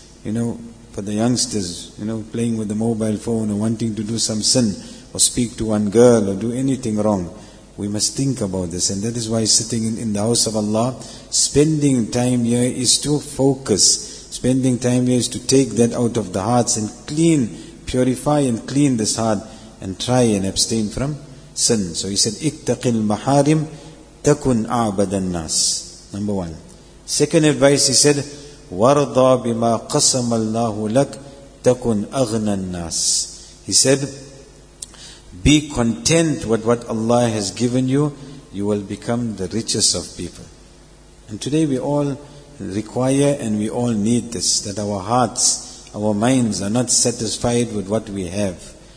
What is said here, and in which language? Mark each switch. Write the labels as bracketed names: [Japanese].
[English] You know, for the youngsters, you know, playing with the mobile phone or wanting to do some sin or speak to one girl or do anything wrong, we must think about this. And that is why sitting in the house of Allah, spending time here is to focus. Spending time here is to take that out of the hearts and clean, purify and clean this heart and try and abstain from sin. So he said, [Arabic] اِتَّقِ الْمَحَارِمْ تَكُنْ أَعْبَدَ النَّاسِ. [English] Number one. Second advice, he said, [Arabic] وَرْضَى بِمَا قَسَمَ اللَّهُ لَكْ تَكُنْ أَغْنَى النَّاسِ. [English] He said, be content with what Allah has given you, you will become the richest of people. And today we all require and we all need this, that our hearts, our minds are not satisfied with what we have.